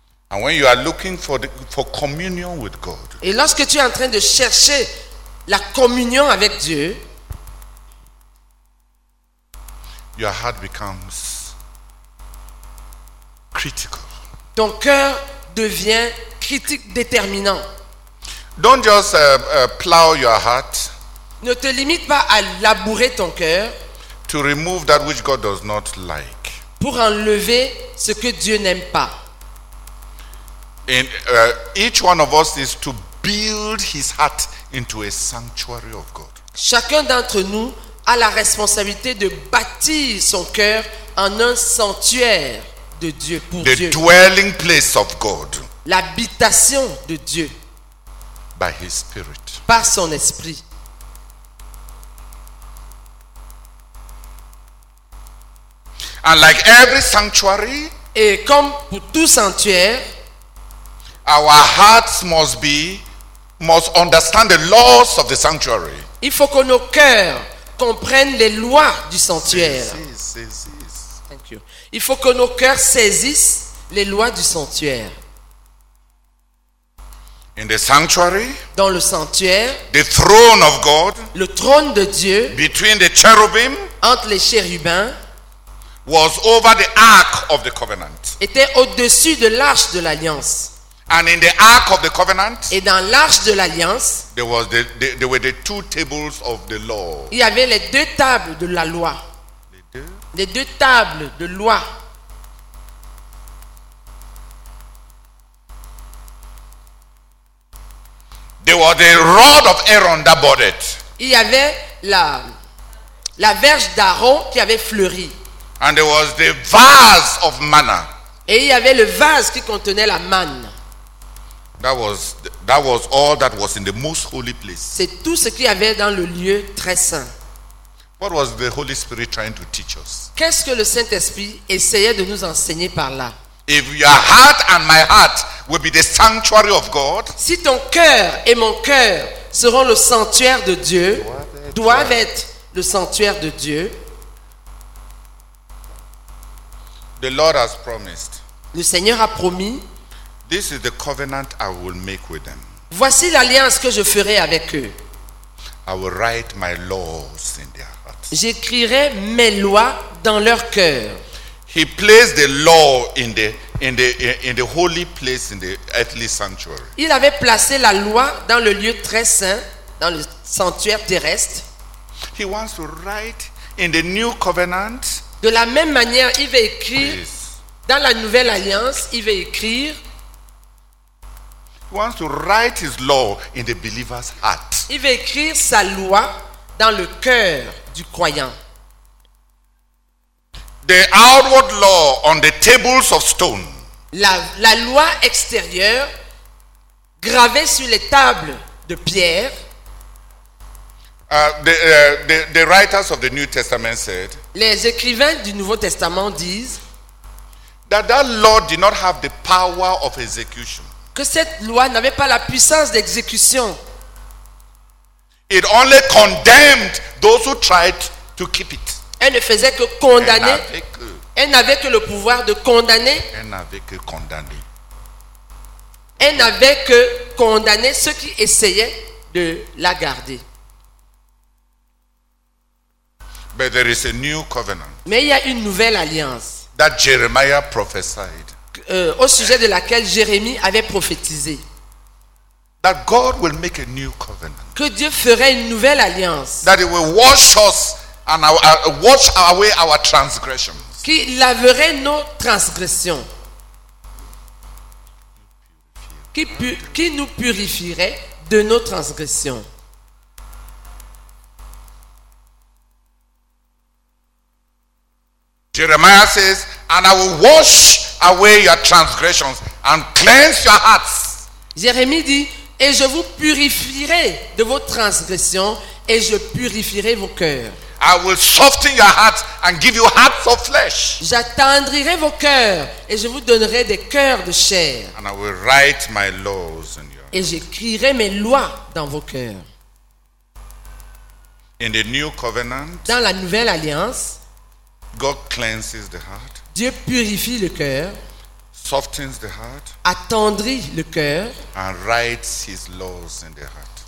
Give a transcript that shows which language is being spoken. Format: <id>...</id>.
<en>And when you are looking for communion with God.</en> <fr>Et lorsque tu es en train de chercher la communion avec Dieu,</fr> <en>your heart becomes critical.</en> <fr>Ton cœur devient critique déterminant.</fr> <en>Don't just plow your heart.</en> <fr>Ne te limite pas à labourer ton cœur.</fr> <en>To remove that which God does not like.</en> <fr>Pour enlever ce que Dieu n'aime pas.</fr> <en>In each one of us is to build his heart into a sanctuary of God.</en> <fr>Chacun d'entre nous a la responsabilité de bâtir son cœur en un sanctuaire de Dieu pour</fr> <en>the</en> <fr>Dieu.</fr> <en>The dwelling place of God.</en> <fr>L'habitation de Dieu.</fr> <en>By his spirit.</en> <fr>Par son esprit.</fr> <en>And like every sanctuary,</en> <fr>et comme pour tout sanctuaire,</fr> <en>our hearts must understand the laws of the sanctuary.</en> <fr>Il faut que nos cœurs comprennent les lois du sanctuaire.</fr> <en>Thank you.</en> <fr>Il faut que nos cœurs saisissent les lois du sanctuaire.</fr> <en>In the sanctuary,</en> <fr>dans le sanctuaire,</fr> <en>the throne of God,</en> <fr>le trône de Dieu,</fr> <en>between the cherubim,</en> <fr>entre les chérubins,</fr> <en>was over the ark of the covenant.</en> <fr>Était au-dessus de l'arche de l'alliance.</fr> <en>And in the ark of the covenant,</en> <fr>et dans l'arche de l'alliance,</fr> <en>there was there were the two tables of the law.</en> <fr>Il y avait les deux tables de la loi. Les deux tables de loi.</fr> <en>There was the rod of Aaron that bore it.</en> <fr>Il y avait la verge d'Aaron qui avait fleuri.</fr> <en>And there was the vase of manna.</en> <fr>Et il y avait le vase qui contenait la manne.</fr> <en>That was all that was in the most holy place.</en> <fr>C'est tout ce qu'il y avait dans le lieu très saint.</fr> <en>What was the Holy Spirit trying to teach us?</en> <fr>Qu'est-ce que le Saint-Esprit essayait de nous enseigner par là?</fr> <en>If your heart and my heart will be the sanctuary of God,</en> <fr>si ton cœur et mon cœur seront le sanctuaire de Dieu, doivent être le sanctuaire de Dieu.</fr> <en>The Lord has promised.</en> <fr>Le Seigneur a promis.</fr> <en>This is the covenant I will make with them.</en> <fr>Voici l'alliance que je ferai avec eux.</fr> <en>I will write my laws in their hearts.</en> <fr>J'écrirai mes lois dans leur cœur.</fr> <en>He placed the law in the holy place in the earthly sanctuary.</en> <fr>Il avait placé la loi dans le lieu très saint, dans le sanctuaire terrestre.</fr> <en>He wants to write in the new covenant.</en> <fr>De la même manière, il veut écrire dans la nouvelle alliance, il veut écrire.</fr> <en>He wants to write his law in the believer's heart.</en> <fr>Il veut écrire sa loi dans le cœur du croyant.</fr> <en>The outward law on the tables of stone.</en> <fr>La loi extérieure gravée sur les tables de pierre.</fr> <en>The writers of the New Testament said.</en> <fr>Les écrivains du Nouveau Testament disent</fr> <en>that law did not have the power of execution.</en> <fr>Que cette loi n'avait pas la puissance d'exécution.</fr> <en>It only condemned those who tried to keep it.</en> <fr>Elle ne faisait que condamner. Elle n'avait que le pouvoir de condamner. Elle n'avait que condamner. Elle n'avait que condamner ceux qui essayaient de la garder.</fr> <en>But there is a new covenant.</en> <fr>Mais il y a une nouvelle alliance.</fr> <en>That Jeremiah prophesied.</en> <fr>Au sujet de laquelle Jérémie avait prophétisé.</fr> <en>That God will make a new covenant.</en> <fr>Que Dieu ferait une nouvelle alliance.</fr> <en>That he will wash us and wash away our transgressions.</en> <fr>Qui laverait nos transgressions. Qui nous purifierait de nos transgressions.</fr> <en>Jeremiah says, and I will wash away your transgressions and cleanse your hearts.</en> <fr>Jérémie dit, et je vous purifierai de vos transgressions et je purifierai vos cœurs.</fr> <en>I will soften your heart and give you hearts of flesh.</en> <fr>J'attendrirai vos cœurs et je vous donnerai des cœurs de chair.</fr> <en>And I will write my laws in your heart.</en> <fr>Et j'écrirai mes lois dans vos cœurs.</fr> <en>In the new covenant,</en> <fr>dans la nouvelle alliance,</fr> <en>God cleanses the heart.</en> <fr>Dieu purifie le cœur.</fr> <en>Softens the heart.</en> <fr>Attendrit le cœur.</fr> <en>And writes his laws in the heart.</en>